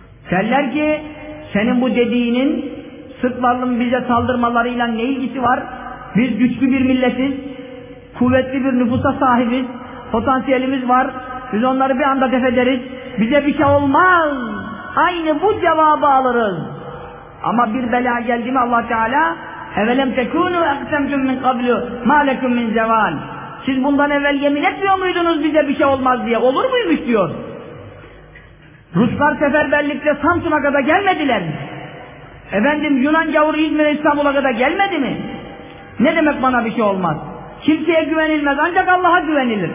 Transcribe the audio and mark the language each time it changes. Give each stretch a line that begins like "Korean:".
Turkish: Derler ki, senin bu dediğinin Sırplarının bize saldırmalarıyla ne ilgisi var? Biz güçlü bir milletiz, kuvvetli bir nüfusa sahibiz, potansiyelimiz var, biz onları bir anda def ederiz, bize bir şey olmaz. Aynı bu cevabı alırız. Ama bir bela geldi mi Allah Teala,
Arabic: اَوَلَمْ تَكُونُوا اَقْسَمْتُمْ مِنْ قَبْلُ مَا لَكُمْ مِنْ زَوَانِ.
Turkish: Siz bundan evvel yemin etmiyor muydunuz bize bir şey olmaz diye, olur muymuş diyor. Ruslar seferberlikle Samsun'a kadar gelmediler mi? Efendim Yunan gavuru İzmir'e İstanbul'a kadar gelmedi mi? Ne demek bana bir şey olmaz? Kimseye güvenilmez, ancak Allah'a güvenilir.